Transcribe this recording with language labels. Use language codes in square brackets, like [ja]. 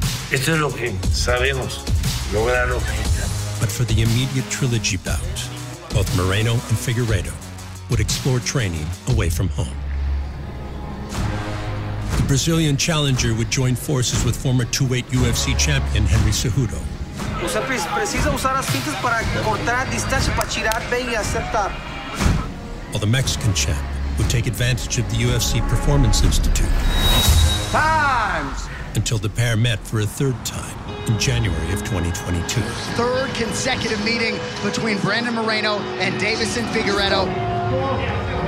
[es] Esto es lo que sabemos, lograr lo que necesitamos. [en] But for the immediate trilogy bout, both Moreno and Figueiredo would explore training away from home. The Brazilian challenger would join forces with former 2-weight UFC champion Henry Cejudo. [es] Usted precisa usar las cintas para cortar distancia, para girar bien y aceptar. [en] While the Mexican champ would take advantage of the UFC Performance Institute. Times! Until the pair met for a third time in January of 2022. Third consecutive meeting between Brandon Moreno and Davison Figueiredo.